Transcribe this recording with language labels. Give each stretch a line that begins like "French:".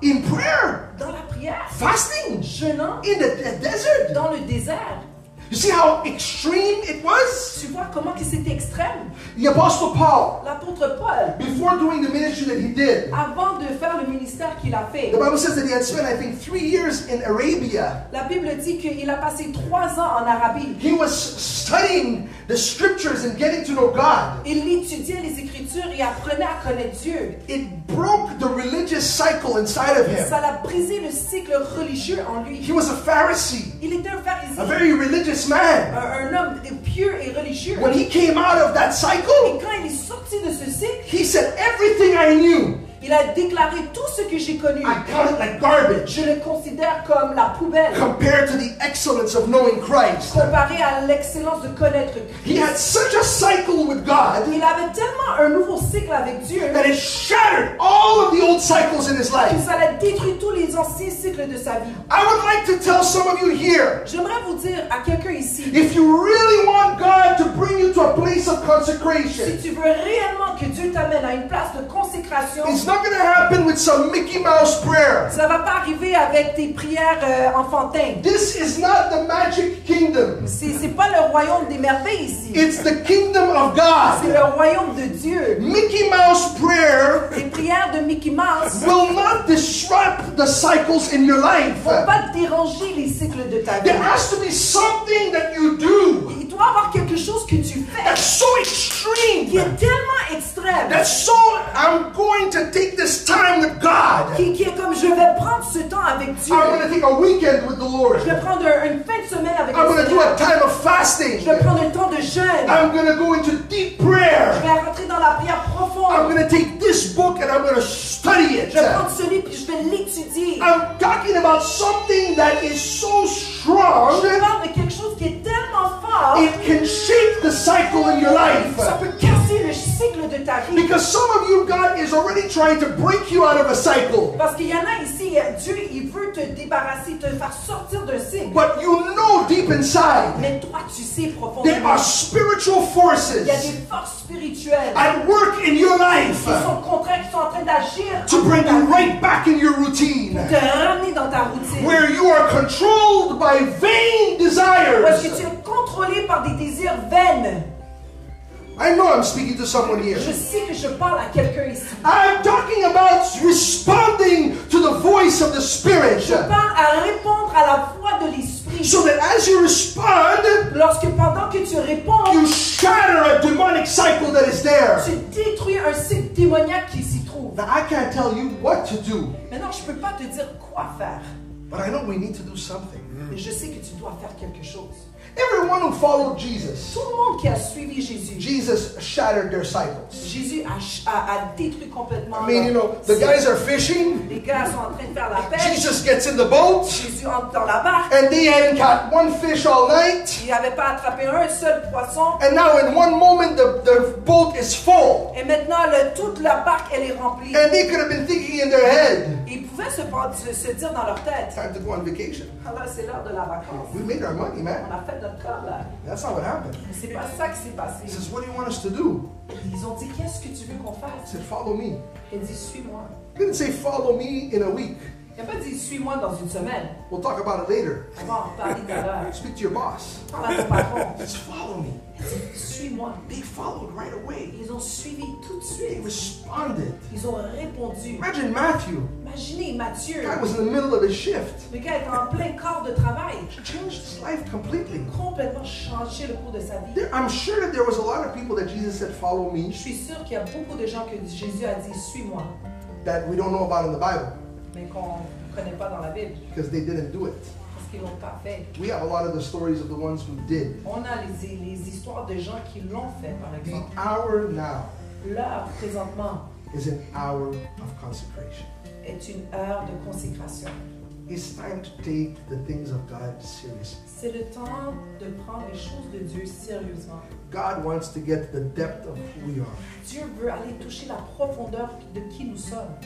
English: In prayer.
French: Dans la prière.
English: Fasting.
French: Jeûnant.
English: In the desert.
French: Dans le désert.
English: You see how extreme it was?
French: Tu vois comment que c'était extrême?
English: The Apostle Paul.
French: L'apôtre Paul.
English: Before doing the ministry that he did.
French: Avant de faire le ministère qu'il a fait.
English: The Bible says that he had spent, I think, 3 years in Arabia.
French: La Bible dit qu'il a passé 3 ans en Arabie.
English: He was studying the scriptures and getting to know God.
French: Il étudiait les écritures et apprenait à connaître Dieu.
English: It broke the religious cycle inside of him.
French: Ça l'a brisé le cycle religieux en lui.
English: He was a Pharisee.
French: Il était un pharisien.
English: A very religious man.
French: Un homme pur et religieux.
English: When he came out of that cycle,
French: et quand il est sorti de ce cycle,
English: he said everything I knew.
French: Il a déclaré tout ce que j'ai connu.
English: I count it like garbage.
French: Je le considère comme la poubelle.
English: Compared to the excellence of knowing Christ.
French: Comparé à l'excellence de connaître Christ.
English: He had such a cycle with God.
French: Il avait tellement un nouveau cycle avec Dieu.
English: That it shattered all of the old cycles in his life.
French: Ça l'a détruit tous les anciens cycles de sa vie.
English: I would like to tell some of you here.
French: J'aimerais vous dire à quelqu'un ici.
English: If you really want God to bring you to a place of consecration.
French: Si tu veux réellement que Dieu t'amène à une place de consécration.
English: It's not going to happen with some Mickey Mouse prayer.
French: Ça va pas arriver avec tes prières enfantines.
English: This is not the magic kingdom.
French: C'est pas le royaume des merveilles ici.
English: It's the kingdom of God.
French: C'est le royaume de Dieu.
English: Mickey Mouse prayer.
French: Les prières de Mickey Mouse.
English: Will not disrupt the cycles in your life.
French: Vont pas déranger les cycles de ta vie.
English: There has to be something that you do.
French: Il doit avoir quelque chose que tu fais.
English: That's so extreme.
French: Qui est tellement extrême.
English: That's so I'm going to take this time with God.
French: Qui est comme je vais prendre ce temps avec Dieu.
English: I'm going to take a weekend with the Lord.
French: Je vais prendre une fin de semaine avec Dieu.
English: I'm going to do a time of fasting.
French: Je vais prendre un temps de jeûne.
English: I'm going to go into deep prayer.
French: Je vais rentrer dans la prière profonde.
English: I'm going to take this book and I'm going to study it.
French: Je vais prendre ce livre puis je vais l'étudier.
English: I'm talking about something that is so strong.
French: Je parle de quelque chose qui est tellement fort.
English: It can shake the cycle in your life.
French: Ça peut casser le cycle de ta vie.
English: Because some of you, God is already trying to break you out of a cycle.
French: Parce qu'il y en a ici, Dieu, il veut te débarrasser, te faire sortir d'un cycle.
English: But you know deep inside.
French: Mais toi, tu sais profondément.
English: There are spiritual forces.
French: Il y a des forces spirituelles.
English: At work in your life.
French: Ils sont contraires, ils sont en train d'agir.
English: To bring you right back in your routine.
French: Te ramener dans ta routine.
English: Where you are controlled by vain desires.
French: Parce que tu es contrôlé par des désirs vains.
English: I know I'm speaking to someone here.
French: Je sais que je parle à quelqu'un ici.
English: I'm talking about responding to the voice of the Spirit.
French: Je parle à répondre à la voix de l'Esprit.
English: So that as you respond,
French: lorsque pendant que tu réponds,
English: you shatter a demonic cycle that is there.
French: Tu détruis un cycle démoniaque qui s'y trouve.
English: Now I can't tell you what to do.
French: Maintenant, je peux pas te dire quoi faire.
English: But I know we need to do something.
French: Mais je sais que tu dois faire quelque chose.
English: Everyone who followed Jesus.
French: Tout le monde qui a suivi Jésus.
English: Jesus shattered their cycles.
French: Jésus a détruit complètement.
English: I mean, you know, the guys are fishing.
French: Les gars sont en train de faire la pêche.
English: Jesus gets in the boat.
French: Jésus entre dans la barque.
English: And they hadn't caught one fish all night.
French: Ils n'avaient pas attrapé un seul poisson.
English: And now, in one moment, the boat is full.
French: Et maintenant, toute la barque elle est remplie.
English: And they could have been thinking in their head.
French: Ils pouvaient se dire dans leur tête.
English: Time to go on vacation.
French: Alors c'est l'heure de la vacance.
English: We made our money, man.
French: On a fait.
English: That's not what happened.
French: C'est pas ça qui s'est passé.
English: He says, what do you want us to do?
French: Ils ont dit, qu'est-ce que tu veux qu'on fasse?
English: He said, follow me.
French: Il dit, suis-moi.
English: He didn't say, follow me in a week.
French: Il a pas dit, suis-moi dans une semaine.
English: We'll talk about it later.
French: Bon, parlez d'ailleurs.
English: Speak to your boss.
French: Parle à ton patron.
English: Just follow me.
French: Suis-moi.
English: They followed right away.
French: Ils ont suivi tout de suite.
English: They responded.
French: Ils ont répondu.
English: Imagine Matthew.
French: Imaginez Matthieu.
English: The guy was in the middle of his shift.
French: Le gars était en plein corps de travail.
English: Changed his life completely.
French: Complètement changé le cours de sa vie.
English: I'm sure that there was a lot of people that Jesus said, follow me.
French: Je suis sûr qu'il y a beaucoup de gens que Jésus a dit, suis-moi.
English: That we don't know about in the Bible.
French: Mais qu'on ne connaît pas dans la Bible.
English: Because they didn't do it. We have a lot of the stories of the ones who did.
French: On a les histoires de gens qui l'ont fait, par exemple.
English: The hour now.
French: L'heure présentement.
English: Is an hour of consecration.
French: Est une heure de consécration.
English: It's time to take the things of God seriously.
French: C'est le temps de prendre les choses de Dieu sérieusement.
English: God wants to get to the depth of who we are.
French: Dieu veut aller toucher la profondeur de qui nous sommes.